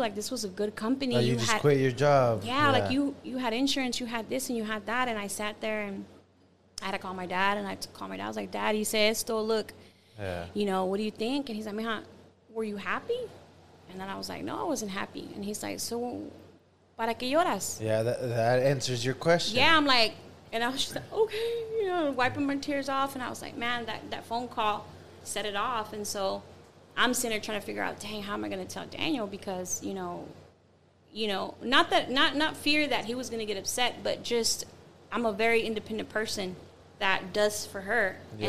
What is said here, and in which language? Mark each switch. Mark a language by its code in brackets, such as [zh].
[en] Like, this was a good company. Oh, you just quit your job. Yeah, like, you had insurance, you had this, and you had that, and I sat there, and I had to call my dad, I was like, Dad, he says, still look, you know, what do you think? And he's like, mija, were you happy? And then I was like, no, I wasn't happy. And he's like, so, [es] ¿para qué lloras? [en] Yeah, that answers your question. Yeah, I'm like, and I was just like, okay, you know, wiping my tears off. And I was like, man, that phone call set it off. And so I'm sitting there trying to figure out, dang, how am I going to tell Daniel? Because, you know, not fear that he was going to get upset, but just I'm a very independent person that does for her. Yeah.